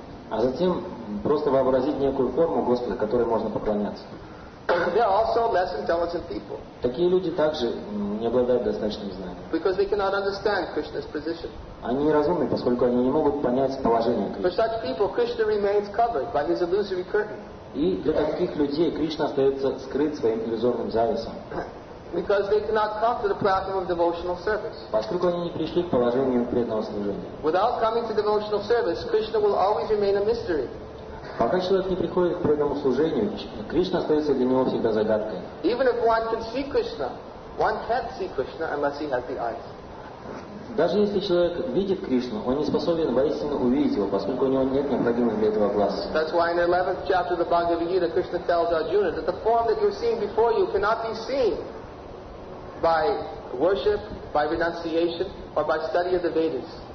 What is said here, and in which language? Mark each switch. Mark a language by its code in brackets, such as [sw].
[ru] А затем просто вообразить некую форму Господа, которой можно поклоняться. [en] They are also less intelligent people. [ru] Такие люди также не обладают достаточным знанием. [en] Because they cannot understand Krishna's position. [ru] Они неразумны, поскольку они не могут понять положение Кришны. [en] For such people, Krishna remains covered by his illusory curtain. [ru] И для таких людей Кришна остается скрыт своим иллюзорным завесом. [en] Because they cannot come to the platform of devotional service. [ru] Поскольку они не пришли к положению преданного служения. [en] Without coming to devotional service, Krishna will always remain a mystery. [ru] Пока человек не приходит к преданному служению, Кришна остается для него всегда загадкой. [en] Even if one can see Krishna, one can't see Krishna unless he has the eyes. [ru] Даже если человек видит Кришну, он не способен воистину увидеть его, поскольку у него нет необходимых для этого глаз. [en] That's why in the 11th chapter of the Bhagavad Gita, Krishna tells Arjuna that the form that you're seeing before you cannot be seen by worship, by renunciation, or by study of the Vedas.